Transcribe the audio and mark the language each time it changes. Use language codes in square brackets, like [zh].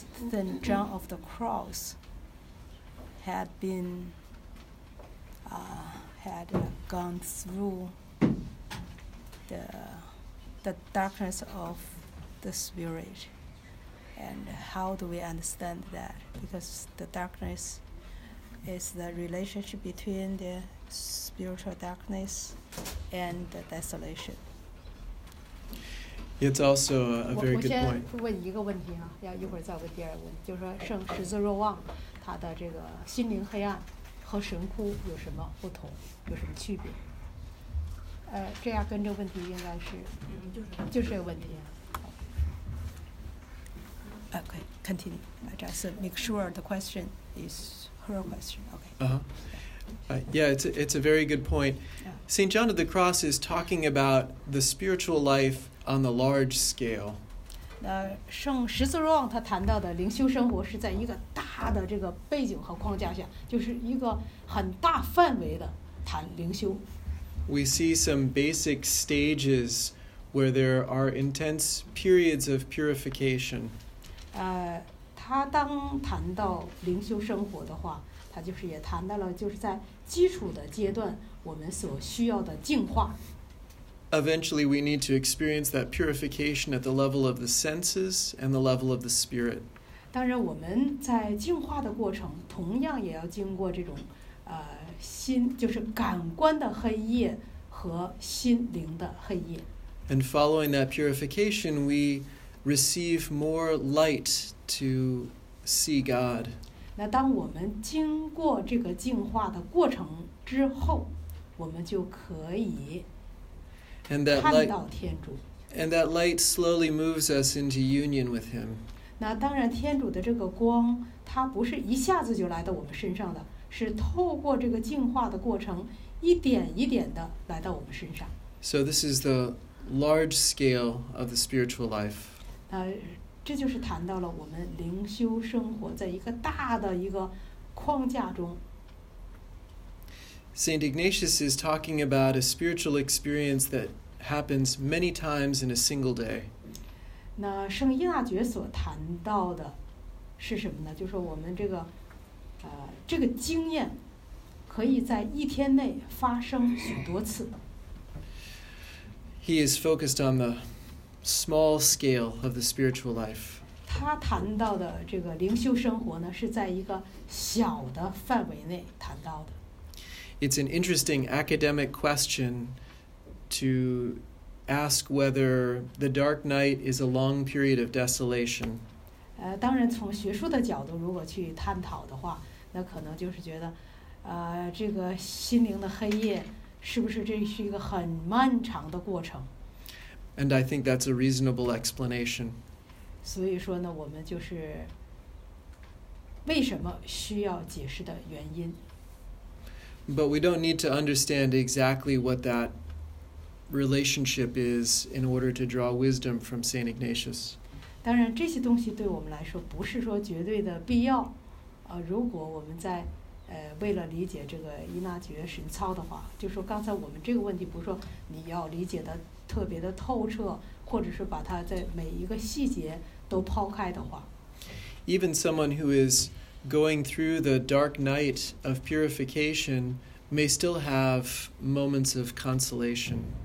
[en] The John of the Cross had been had gone through the darkness of the spirit, and how do we understand that? Because the darkness is the relationship between the spiritual darkness and the desolation. It's also a very good point. [zh] 我先问一个问题啊，要一会儿再问第二个问题，就是说圣十字若望，他的这个心灵黑暗和神窟有什么不同，有什么区别？这样跟这个问题应该是，就是这个问题啊。 [en] Okay, continue. Just make sure the question is her question. Okay. It's a very good point. St. John of the Cross is talking about the spiritual life. On the large scale, [zh] 圣十字若望他谈到的灵修生活是在一个大的这个背景和框架下，就是一个很大范围的谈灵修。 [en] We see some basic stages where there are intense periods of purification. [zh] 他当谈到灵修生活的话，他就是也谈到了就是在基础的阶段我们所需要的净化。 [en] Eventually, we need to experience that purification at the level of the senses and the level of the spirit. [zh] 当然，我们在净化的过程，同样也要经过这种，心就是感官的黑夜和心灵的黑夜。 [en] And following that purification, we receive more light to see God. [zh] 那当我们经过这个净化的过程之后，我们就可以。 [en] And that, light, and that light slowly moves us into union with Him. [zh] 那当然，天主的这个光，它不是一下子就来到我们身上的，是透过这个净化的过程，一点一点的来到我们身上。 [en] So this is the large scale of the spiritual life. [zh] 这就是谈到了我们灵修生活在一个大的一个框架中。 [en] St. Ignatius is talking about a spiritual experience that happens many times in a single day. [zh] 那圣依纳爵所谈到的是什么呢？就是我们这个，这个经验可以在一天内发生许多次。 [en] He is focused on the small scale of the spiritual life. [zh] 他谈到的这个灵修生活呢，是在一个小的范围内谈到的。 [en] It's an interesting academic question to ask whether the dark night is a long period of desolation. [zh] 当然从学术的角度如果去探讨的话，那可能就是觉得这个心灵的黑夜是不是这是一个很漫长的过程。 [en] And I think that's a reasonable explanation. [zh] 所以说呢，我们就是为什么需要解释的原因。 [en] But we don't need to understand exactly what that relationship is in order to draw wisdom from St. Ignatius. [zh] 当然这些东西对我们来说不是说绝对的必要。如果我们在为了理解这个伊那爵神操的话，就说刚才我们这个问题不是说你要理解的特别的透彻，或者是把它在每一个细节都抛开的话。 [en] Even someone who is going through the dark night of purification may still have moments of consolation.